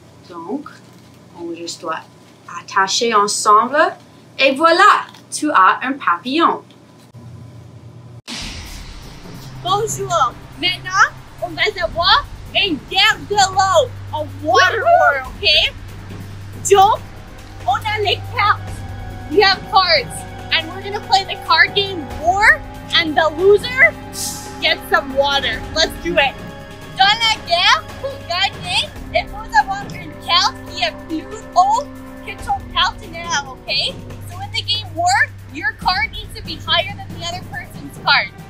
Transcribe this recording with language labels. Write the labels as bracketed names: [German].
[French] Donc, on juste doit attacher ensemble. Et voilà, tu as un papillon. Bonjour, maintenant, on va avoir une guerre de l'eau, un water world, ok? Donc, on a les cartes. [English] We have cards. And we're gonna play the card game War, and the loser gets some water. Let's do it. [French] Dans la guerre, pour gagner, il faut avoir une carte qui est plus haut que ton partenaire, ok? [English] So in the game War, your card needs to be higher than the other person's card.